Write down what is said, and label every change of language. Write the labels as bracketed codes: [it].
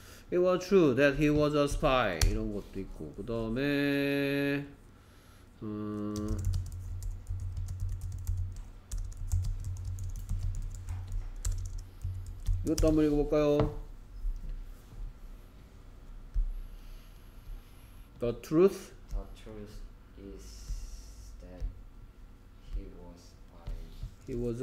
[en] It was true that he was a spy. [ko] 이런 것도 있고 그 다음에 이것도 한번 읽어볼까요? [en] The truth. The truth is that he was a spy.